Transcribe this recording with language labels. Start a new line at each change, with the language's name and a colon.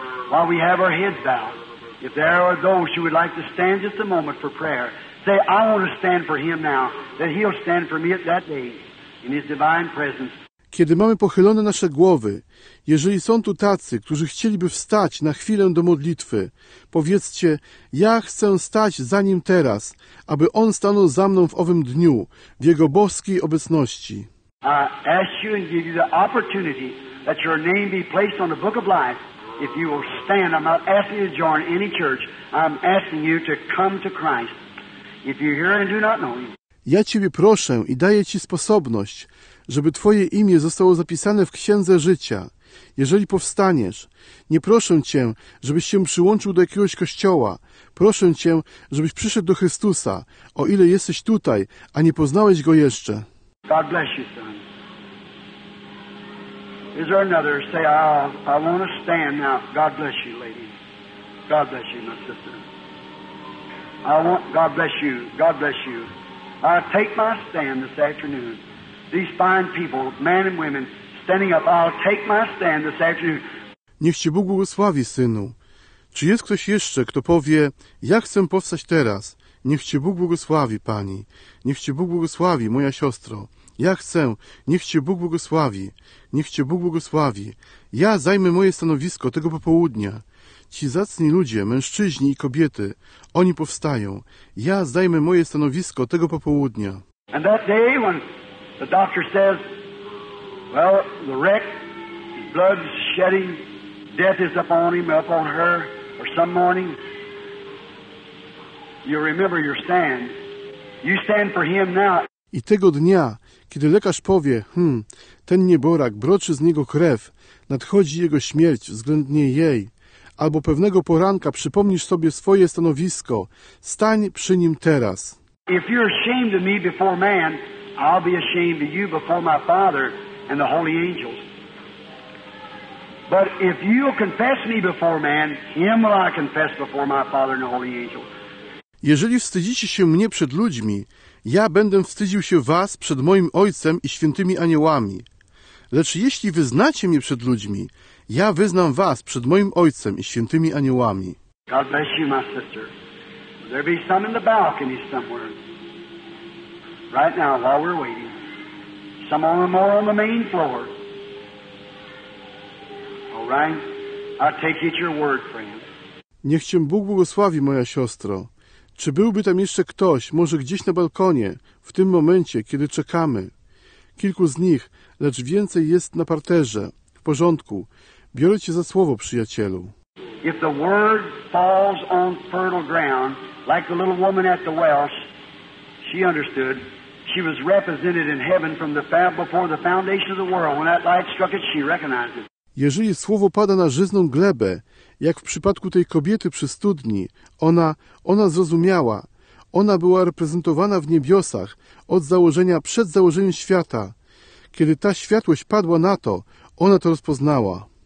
English: While we have our heads bowed. If there are those who would like to stand just a moment for prayer, say, I want to stand for him now, that he'll stand for me at that day in his divine presence.
Polish: Kiedy mamy pochylone nasze głowy, jeżeli są tu tacy, którzy chcieliby wstać na chwilę do modlitwy, powiedzcie, ja chcę stać za nim teraz, aby on stanął za mną w owym dniu, w jego boskiej obecności.
English: I ask you and give you the opportunity that your name be placed on the book of life. If you will stand, I'm not asking you to join any church. I'm asking you to come to Christ. If you're here and do not know him.
Polish: Ja Ciebie proszę i daję Ci sposobność, żeby Twoje imię zostało zapisane w Księdze Życia. Jeżeli powstaniesz, nie proszę Cię, żebyś się przyłączył do jakiegoś kościoła. Proszę Cię, żebyś przyszedł do Chrystusa, o ile jesteś tutaj, a nie poznałeś Go jeszcze.
English: God bless you, son. Is there another? Say, I want to stand now. God bless you, lady. God bless you, my sister. God bless you. God bless you. I take my stand this afternoon. These fine people, men and women, standing up. I'll take my stand this afternoon.
Polish: Niech Ci Bóg błogosławi, synu. Czy jest ktoś jeszcze, kto powie, ja chcę powstać teraz? Niech Ci Bóg błogosławi, pani. Niech Ci Bóg błogosławi, moja siostro. Ja chcę, niech Cię Bóg błogosławi, niech Cię Bóg błogosławi. Ja zajmę moje stanowisko tego popołudnia. Ci zacni ludzie, mężczyźni i kobiety, oni powstają. Ja zajmę moje stanowisko tego popołudnia.
English: And that day when the doctor says, well, the wreck, blood shedding, death is upon him, upon her, or some morning, you remember your stand. You stand for him now.
Polish: I tego dnia, kiedy lekarz powie, ten nieborak, broczy z niego krew, nadchodzi jego śmierć względnie jej, albo pewnego poranka przypomnisz sobie swoje stanowisko, stań przy nim teraz.
English: If you're ashamed of me before man, I'll be ashamed of you before my Father and the holy angels. But if you'll confess me before man, him will I confess before my Father and the holy angels.
Polish: Jeżeli wstydzicie się mnie przed ludźmi, ja będę wstydził się was przed moim Ojcem i świętymi aniołami. Lecz jeśli wyznacie mnie przed ludźmi, ja wyznam was przed moim Ojcem i świętymi aniołami.
English: God bless you, my sister. Will there be some in the balcony somewhere? Right now, while we're waiting. Some on the more on the main floor. All right. I'll take it your word, friend.
Polish: Niech cię Bóg błogosławi, moja siostro. Czy byłby tam jeszcze ktoś, może gdzieś na balkonie, w tym momencie, kiedy czekamy? Kilku z nich, lecz więcej jest na parterze. W porządku. Biorę cię za słowo, przyjacielu.
English: If the word falls on fertile ground, like the little woman at the well, she understood. She was represented in heaven from the before the foundation of the world. When that light struck it, she recognized it.
Polish: Jeżeli słowo pada na żyzną glebę, jak w przypadku tej kobiety przy studni, ona zrozumiała, ona była reprezentowana w niebiosach od założenia, przed założeniem świata. Kiedy ta światłość padła na to, ona to rozpoznała.